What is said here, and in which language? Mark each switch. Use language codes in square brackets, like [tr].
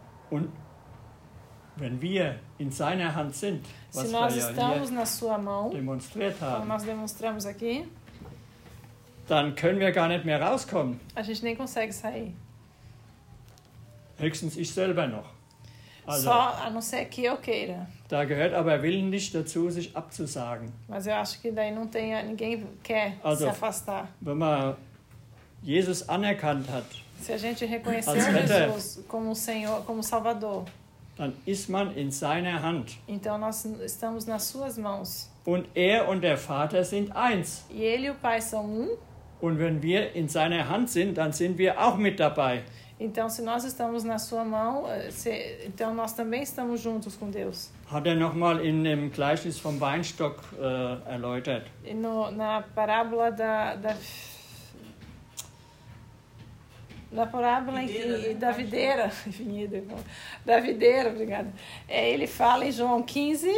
[de] und wenn wir in seiner Hand sind, [pt] was se nós estamos na sua mão, [de] demonstriert haben, [pt] como nós demonstramos aqui, [de] dann können wir gar nicht mehr rauskommen. [pt] A gente nem consegue sair. [de] Höchstens ich selber noch. [pt] Also, só a não ser que eu queira. [de] Da gehört aber Willen nicht dazu, sich abzusagen. [pt] Mas eu acho que daí não tem, ninguém quer [de] also, [pt] se afastar. [de] Wenn man Jesus anerkannt hat, [pt] se a gente reconhecer Retter, Jesus como Senhor, como Salvador, [de] dann ist man in seiner Hand. [pt] Então nós estamos nas suas mãos. [de] Und er und der Vater sind eins. [pt] E ele e o pai são um. [de] Und wenn wir in seiner Hand sind, dann sind wir auch mit dabei. [pt] Então, se nós estamos na sua mão, se, então nós também estamos juntos com Deus. [de] Hat er nochmal in dem Gleichnis vom Weinstock erläutert. [pt] No, na parábola da, da, da parábola da videira, da videira, obrigada. É, ele fala em João 15.